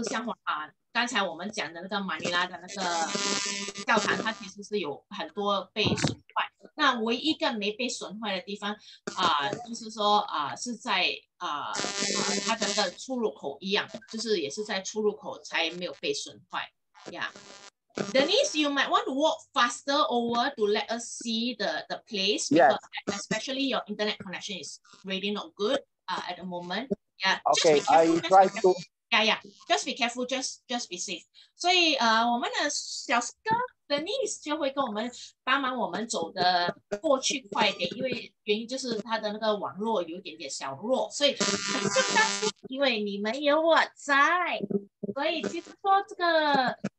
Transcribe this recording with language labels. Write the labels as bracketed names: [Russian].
[Chinese] 唯一所保留的就是他们基本上现在是用那个环城区，他们是来保护这个地方。那基本上它也是像刚才我们讲的那个 Manila 的那个教堂，它其实是有很多被损坏。那唯一一个没被损坏的地方，就是说是在它的那个出入口一样，就是也是在出入口才没有被损坏，yeah。 [English] Denise, you might want to walk faster over to let us see the place because yes. Especially your internet connection is really not good at the moment. Yeah. Okay, just be careful, I try to. Yeah, yeah. Just be careful. Just be safe. [Chinese] 所以，我们的小哥 Denise 就会跟我们帮忙我们走的过去快一点，因为原因就是他的那个网络有点点小弱，所以很正当，因为你们有我在，所以其实说这个。